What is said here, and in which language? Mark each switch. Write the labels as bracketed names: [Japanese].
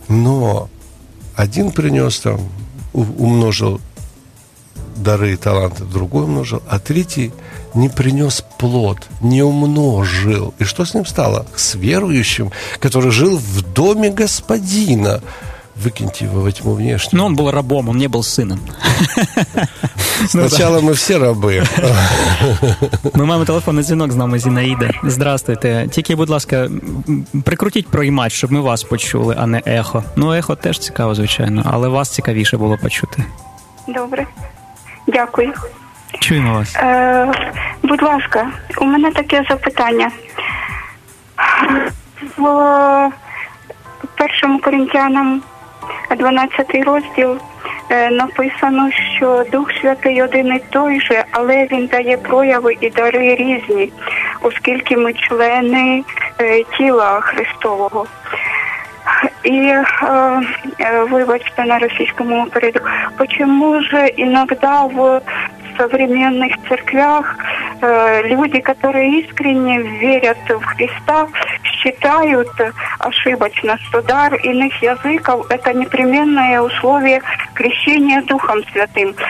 [Russian] Но один принес там, умножил дары и таланты, другой умножил, а третий не принес плод, не умножил. И что с ним стало? С верующим, который жил в доме господина. Выкиньте его во тьму внешнюю. Но он был рабом, он не был сыном. Сначала мы все рабы. Мы маем телефонный звонок, с нами Зинаида. Здравствуйте. [Ukrainian] Тільки, будь ласка, прикрутіть проймач, щоб ми вас почули, а не ехо. Ну, ехо теж цікаво, звичайно, але вас цікавіше було почути. Добре. Дякую. Чуємо вас. Будь ласка, у мене таке запитання. В першому Коринтянам 12 розділ написано, що Дух Святий один і той же, але він дає прояви і дари різні, оскільки ми члени тіла Христового. І, вибачте, на російському перейду. Почому ж іноді в современних церквях [Russian] люди, которые искренне верят в Христа, считают ошибочно, что дар иных языков – это непременное условие крещения Духом Святым.